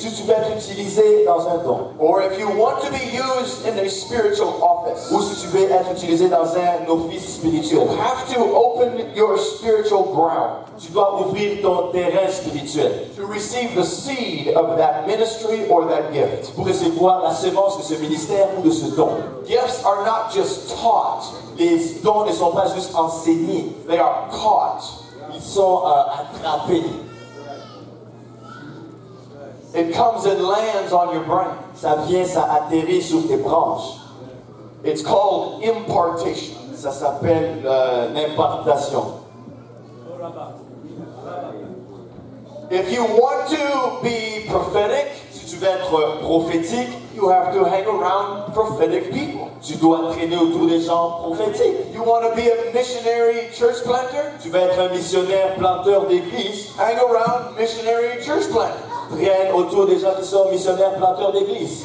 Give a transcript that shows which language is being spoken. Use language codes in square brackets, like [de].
[fr] si tu veux être utilisé dans un don, [en] or if you want to be used in a spiritual office, [fr] ou si tu veux être utilisé dans un office spirituel, [en] you have to open your spiritual ground. [fr] Tu dois ouvrir ton terrain spirituel. [en] To receive the seed of that ministry or that gift. [fr] Pour recevoir la semence de ce ministère ou de ce don. [en] Gifts are not just taught. [fr] Les dons ne sont pas juste enseignés. [en] They are caught. [fr] Ils sont attrapés. [en] It comes and lands on your brain. [fr] Ça vient, ça atterrit sur tes branches. [en] It's called impartation. [fr] Ça s'appelle l'impartation. [en] If you want to be prophetic, [fr] si tu veux être prophétique, [en] you have to hang around prophetic people. [fr] Tu dois traîner autour des gens prophétiques. [en] You want to be a missionary church planter? [fr] Tu veux être un missionnaire planteur d'église? [en] Hang around missionary church planters. [fr] Traîne autour des gens qui sont missionnaires planteurs d'église.